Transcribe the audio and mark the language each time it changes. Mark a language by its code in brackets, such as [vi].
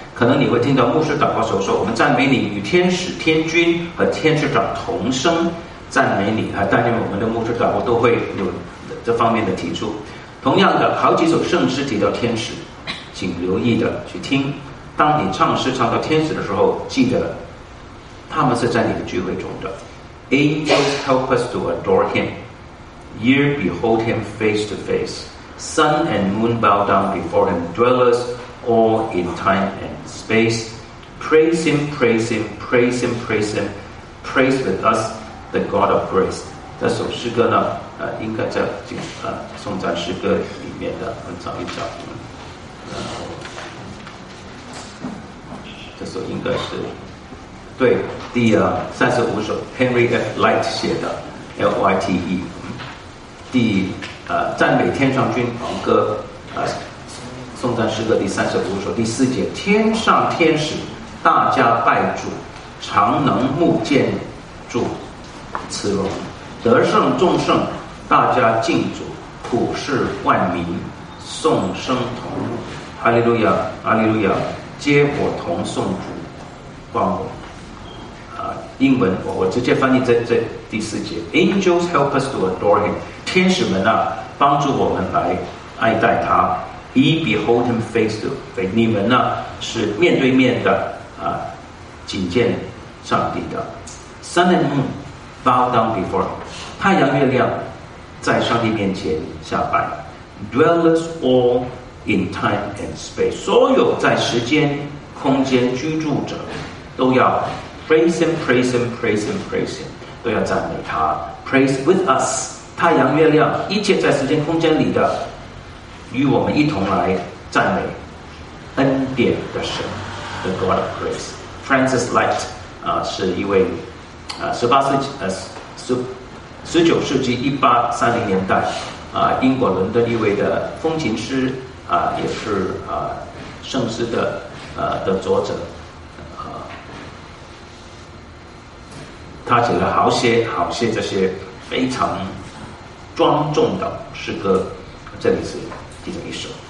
[zh] 可能你会听到牧师祷告时候说，我们赞美你与天使天君和天使长同声赞美你啊，但愿我们的牧师祷告都会有这方面的提出。同样的，好几首圣诗提到天使，请留意的去听。当你唱诗唱到天使的时候，记得他们是在你的聚会中的。 [en] Angels help us to adore him, Year behold him face to face, Sun and moon bow down before him, Dwellers all in time and space, Praise him, praise him, praise him, praise him, Praise with us the God of grace. [zh] 这首诗歌呢应该在颂赞诗歌里面的，我们找一找。然后这首应该是对第35首 Henry F. Light 写的 LYTE 第赞美天上君王歌颂赞诗歌第35首第4节，天上天使大家拜主，常能目见主慈容，得胜众圣大家敬主，普世万民颂声同，哈利路亚哈利路亚，皆我同颂主光荣啊。英文我直接翻译在第4节， [en] Angels help us to adore him, [zh] 天使们啊帮助我们来爱戴他。 [en] He behold him face to face, [zh] 你们呢是面对面的啊觐见上帝的。 [en] Sun and moon bow down before him, [zh] 太阳月亮在上帝面前下拜。 [en] Dwellers all in time and space, [zh] 所有在时间空间居住者都要 [en] praise him, praise him, [zh] praise him, praise him, 都要赞美他。 [en] Praise with us, [zh] 太阳月亮一切在时间空间里的与我们一同来赞美恩典的神 [en] The God of grace. [zh] Francis Light 是一位19世纪1830年代英国伦敦一位的风琴师也是圣诗的作者他写了好些这些非常庄重的诗歌，这里是其中一首。